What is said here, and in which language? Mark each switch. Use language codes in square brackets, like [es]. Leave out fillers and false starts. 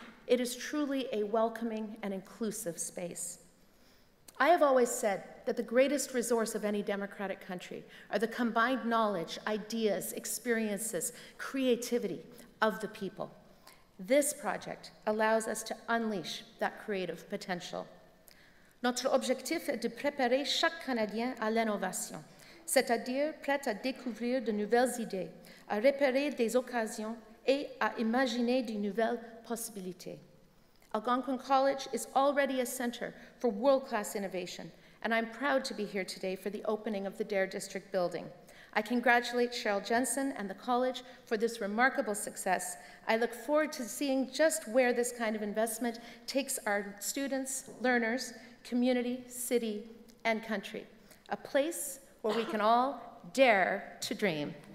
[en] It is truly a welcoming and inclusive space. I have always said that the greatest resource of any democratic country are the combined knowledge, ideas, experiences, creativity of the people. This project allows us to unleash that creative potential. [fr] Notre objectif est de préparer chaque Canadien à l'innovation, c'est-à-dire prêt à découvrir de nouvelles idées, à repérer des occasions et à imaginer de nouvelles possibilités. [en] Algonquin College is already a center for world-class innovation, and I'm proud to be here today for the opening of the D.A.R.E. District building. I congratulate Cheryl Jensen and the college for this remarkable success. I look forward to seeing just where this kind of investment takes our students, learners, community, city, and country, a place where we can all dare to dream.